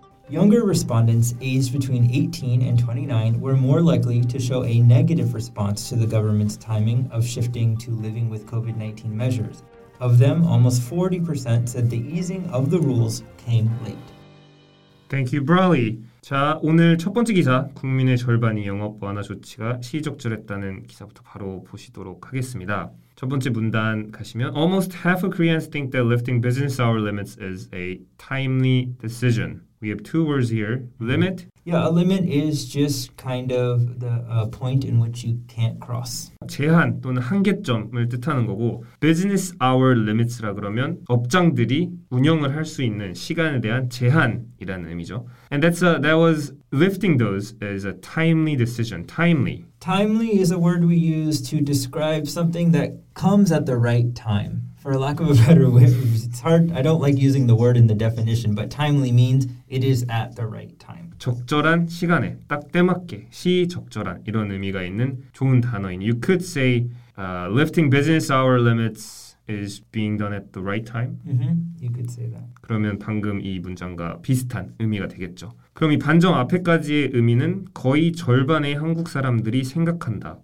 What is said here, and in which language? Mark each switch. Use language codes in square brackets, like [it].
[en] Younger respondents aged between 18 and 29 were more likely to show a negative response to the government's timing of shifting to living with COVID-19 measures. Of them, almost 40% said the easing of the rules came late. Thank you, Brawley. [ko] 자, 오늘 첫 번째 기사, 국민의 절반이 영업 완화 조치가 시의적절했다는 기사부터 바로 보시도록 하겠습니다. 첫 번째 문단 가시면 [en] Almost half of Koreans think that lifting business hour limits is a timely decision. We have two words here, limit. Yeah, a limit is just kind of the point in which you can't cross. [ko] 제한 또는 한계점을 뜻하는 거고 business hour limits라 그러면 업장들이 운영을 할 수 있는 시간에 대한 제한이라는 의미죠. [en] And that was lifting those is a timely decision, timely. Timely is a word we use to describe something that comes at the right time. For lack of a better way, it's hard. I don't like using the word in the definition, but timely means it is at the right time. [ko] 적절한 시간에, 딱 때맞게, 시적절한 이런 의미가 있는 좋은 단어인. [en] You could say lifting business hour limits is being done at the right time. Mm-hmm. You could say that. [ko] 그러면 방금 이 문장과 비슷한 의미가 되겠죠. 그럼 이 반점 앞에까지의 의미는 거의 절반의 한국 사람들이 생각한다.